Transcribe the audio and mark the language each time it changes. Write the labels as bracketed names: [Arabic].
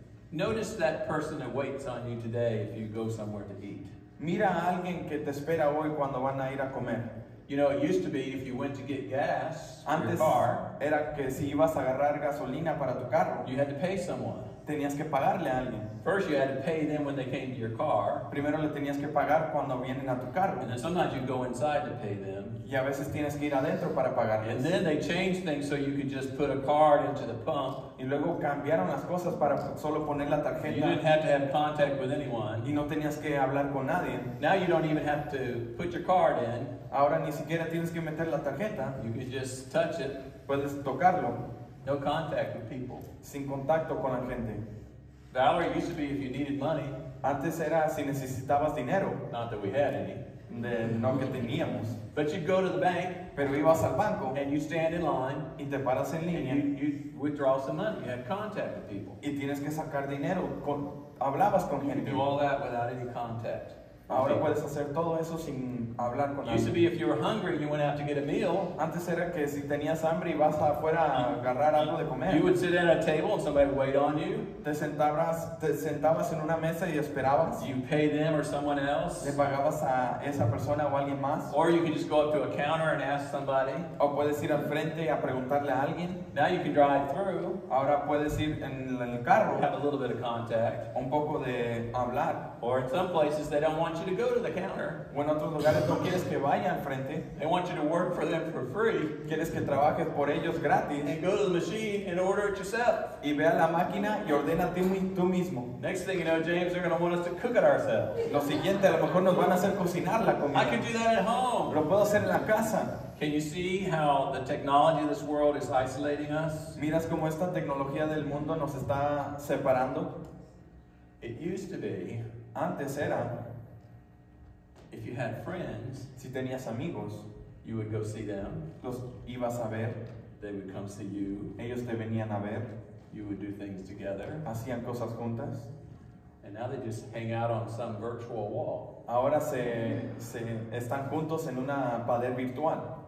[English] Notice that person that waits on you today if you go somewhere to eat. [Spanish] Mira a alguien que te espera hoy cuando van a ir a comer. [English] You know, it used to be if you went to get gas [Spanish] antes, [English] for your car, [Spanish] era que si ibas a agarrar gasolina para tu carro, [English] you had to pay someone. [Spanish] Tenías que pagarle a alguien. [English] First you had to pay them when they came to your car. [Spanish] Primero le tenías que pagar cuando vienen a tu carro. [English] And then sometimes you go inside to pay them. [Spanish] Y a veces tienes que ir adentro para pagarles. [English] And then they changed things so you could just put a card into the pump. [Spanish] Y luego cambiaron las cosas para solo poner la tarjeta. [English] You didn't have to have contact with anyone. [Spanish] Y no tenías que hablar con nadie. [English] Now you don't even have to put your card in. [Spanish] Ahora ni siquiera tienes que meter la tarjeta. [English] You can just touch it. [Spanish] Puedes tocarlo. [English] No contact with people. [Spanish] Sin contacto con la gente. [English] Valerie, used to be if you needed money. [Spanish] Antes era si necesitabas dinero. [English] Not that we had any. [Spanish] De, no que teníamos. [English] But you'd go to the bank. [Spanish] Pero ibas al banco. [English] And you stand in line. [Spanish] Y te paras en línea. [English] And you withdraw some money. You had contact with people. [Spanish] Y tienes que sacar dinero. Con, hablabas con [English] you [Spanish] gente. [English] You do all that without any contact. [Spanish] Ahora puedes hacer todo eso sin hablar con nadie. [English] Used to be if you were hungry, you went out to get a meal. [Spanish] Antes era que si tenías hambre y vas afuera a agarrar algo de comer. [English] You would sit at a table and somebody would wait on you. [Spanish] Te sentabas en una mesa y esperabas. [English] You pay them or someone else. [Spanish] Le pagabas a esa persona o alguien más. [English] Or you could just go up to a counter and ask somebody. [Spanish] O puedes ir al frente a preguntarle a alguien. [English] Now you can drive through. [Spanish] Ahora puedes ir en el carro. [English] Have a little bit of contact. [Spanish] Un poco de hablar. [English] Or in some places they don't want you to go to the counter. [Spanish] En otros lugares no quieres que vaya al frente. [English] They want you to work for them for free. [Spanish] Quieres que trabajes por ellos gratis. [English] And go to the machine and order it yourself. [Spanish] Y ve a la máquina y ordena tú mismo. [English] Next thing you know, James, they're going to want us to cook it ourselves. [Spanish] Lo siguiente, a lo mejor nos van a hacer cocinar la comida. [English] I can do that at home. [Spanish] Lo puedo hacer en la casa. [English] Can you see how the technology of this world is isolating us? [Spanish] ¿Miras cómo esta tecnología del mundo nos está separando? [English] It used to be. [Spanish] Antes era, [English] if you had friends, [Spanish] si tenías amigos, [English] you would go see them. [Spanish] Los ibas a ver. [English] They would come see you. [Spanish] Ellos te venían a ver. [English] You would do things together. [Spanish] Hacían cosas juntas. [English] And now they just hang out on some virtual wall. [Spanish] Ahora se están juntos en una pared virtual.